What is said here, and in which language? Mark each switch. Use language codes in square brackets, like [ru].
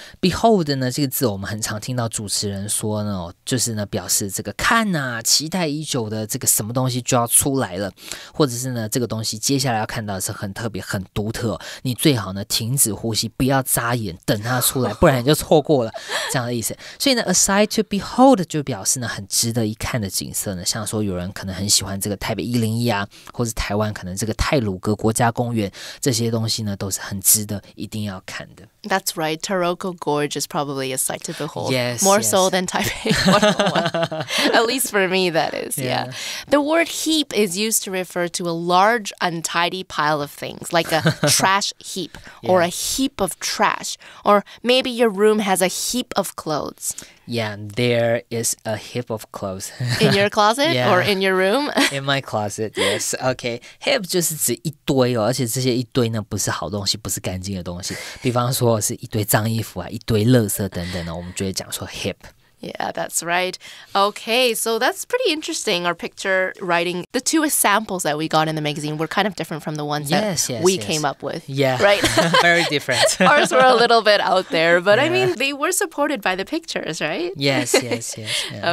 [zh] Behold 呢这个字我们很常听到主持人说呢，就是呢表示这个看啊，期待已久的这个什么东西就要出来了，或者是呢这个东西接下来要看到的是很特别很独特、哦、你最好呢停止呼吸，不要眨眼，等它出来，不然你就错过了这样的意思。所以呢 [en] a sight to behold [zh] 就表示呢很值得一看的景色呢，像说有人可能很喜欢这个台北101啊，或者台湾可能这个太鲁阁国家公园，这些东西呢都是很值得一定要看的。 [en] That's right, Taroko Gorge is probably a sight to behold. Yes, more yes. so than Taipei 101. At least for me, that is. Yeah. Yeah. The word heap is used to refer to a large, untidy pile of things, like a trash heap or yeah. a heap of trash. Or maybe your room has a heap of clothes. Yeah, there is a heap of clothes. In your closet yeah, or in your room? In my closet, yes. Okay. [zh] Heap 就是指一堆哦，而且这些一堆呢不是好东西，不是干净的东西。比方说是一堆脏衣服啊，一堆垃圾等等呢，我们就会讲说 heap。 [en] Yeah, that's right. Okay, so that's pretty interesting, our picture writing. The two samples that we got in the magazine were kind of different from the ones yes, that yes, we yes. came up with. Yeah, right? Very different. Ours were a little bit out there, but yeah. I mean, they were supported by the pictures, right? Yes, yes, yes. yes yeah.